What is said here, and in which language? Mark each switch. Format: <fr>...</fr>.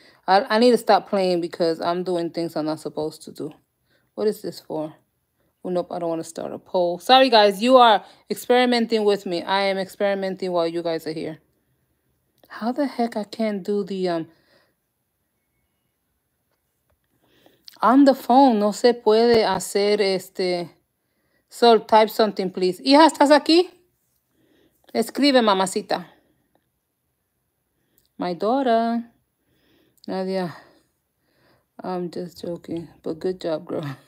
<en>I need to stop playing because I'm doing things I'm not supposed to do. What is this for? Oh, nope, I don't want to start a poll. Sorry, guys, you are experimenting with me. I am experimenting while you guys are here. How the heck I can't do the... On the phone,</en> <es>no se puede hacer este.</es> <en>So, type something, please.</en> <es>Hija, ¿estás aquí? Escribe, mamacita.</es> <en>My daughter. Nadia. I'm just joking, but good job, girl.</en>